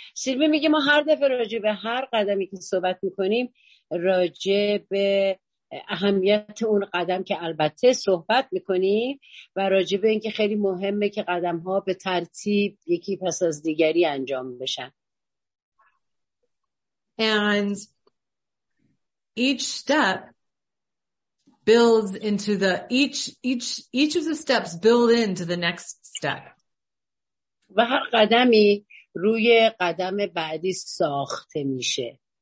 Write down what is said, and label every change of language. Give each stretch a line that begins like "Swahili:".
Persian: سیلوی میگه ما هر دفعه راجع به هر قدمی که صحبت میکنیم راجع به اهمیت اون قدم که البته صحبت میکنیم و راجع به اینکه خیلی مهمه که قدم ها به ترتیب یکی پس از دیگری انجام بشن.
English: And each step builds into the each of the steps build into the next step.
Persian: و هر قدمی روی قدم بعدی ساخته میشه.